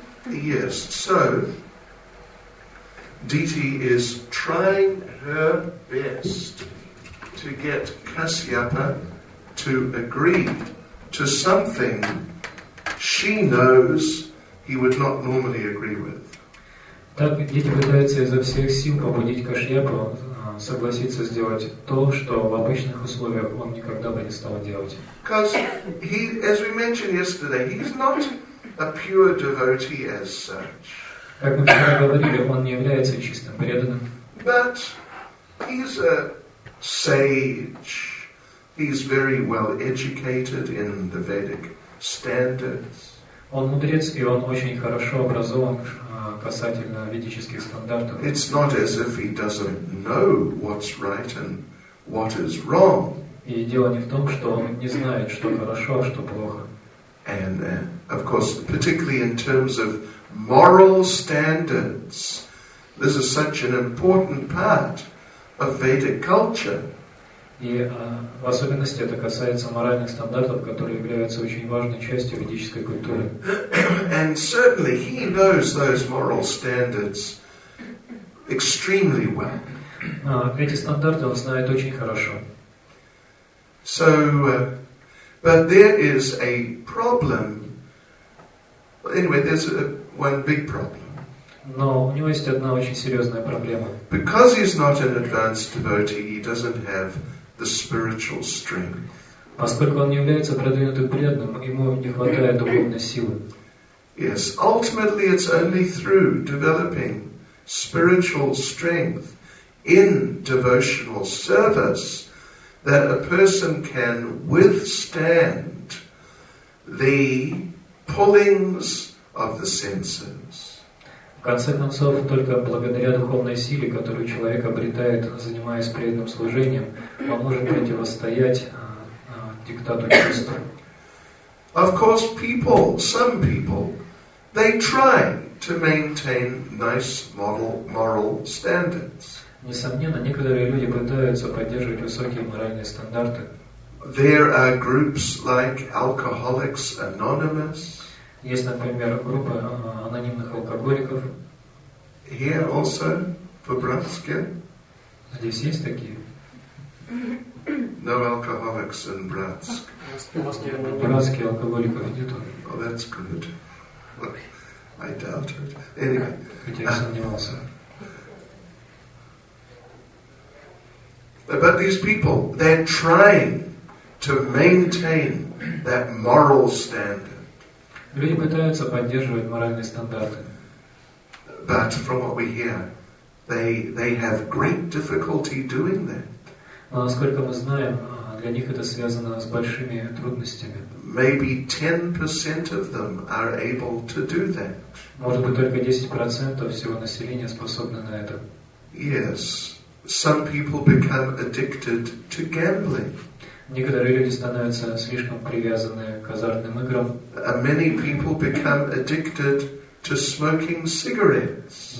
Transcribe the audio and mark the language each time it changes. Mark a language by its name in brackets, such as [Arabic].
[English] Yes, so Diti is trying her best to get Kasyapa to agree to something she knows he would not normally agree with. [Russian] Так Диди пытается изо всех сил побудить Кашьяпу согласиться сделать то, что в обычных условиях он никогда бы не стал делать. [English] Because he, as we mentioned yesterday, he's not a pure devotee as such. [Russian] Как мы вчера говорили, он не является чистым преданным. [English] But he's a sage. He's very well educated in the Vedic standards. [Russian] Он мудрец, и он очень хорошо образован касательно ведических стандартов. [English] It's not as if he doesn't know what's right and what is wrong. [Russian] И дело не в том, что он не знает, что хорошо, а что плохо. [English] And of course, particularly in terms of moral standards, this is such an important part of Vedic culture. [Russian] И в особенности это касается моральных стандартов, которые являются очень важной частью ведической культуры. [English] And certainly he knows those moral standards extremely well. [Russian] Эти стандарты он знает очень хорошо. [English] So, but there is a problem. Anyway, there's one big problem. [Russian] Но у него есть одна очень серьезная проблема. [English] Because he's not an advanced devotee, he doesn't have the spiritual strength. [Russian] Поскольку он не является продвинутым преданным, ему не хватает духовной силы. [English] Yes, ultimately it's only through developing spiritual strength in devotional service that a person can withstand the pullings of the senses. [Russian] В конце концов, только благодаря духовной силе, которую человек обретает, занимаясь преданным служением, он может противостоять диктату чувств. [English] Of course, some people, they try to maintain nice moral standards. [Russian] Несомненно, некоторые люди пытаются поддерживать высокие моральные стандарты. [English] There are groups like Alcoholics Anonymous. [Russian] Есть, например, группа анонимных алкоголиков. [English] Here also, [Russian] в Братске. Здесь есть такие? [English] No alcoholics in Bratsk. [Russian] В Братске алкоголиков нету. [English] Oh, that's good. I doubt it. Anyway. [Russian] Я сомневался. [English] But these people, they're trying to maintain that moral standard. [Russian] Люди пытаются поддерживать моральные стандарты. [English] But from what we hear, They have great difficulty doing that. [Russian] Но насколько мы знаем, для них это связано с большими трудностями. [English] Maybe 10% of them are able to do that. [Russian] Может быть, только 10% всего населения способны на это. [English] Yes. Some people become addicted to gambling. [Russian] Некоторые люди становятся слишком привязаны к азартным играм. [English] Many people become addicted to smoking cigarettes.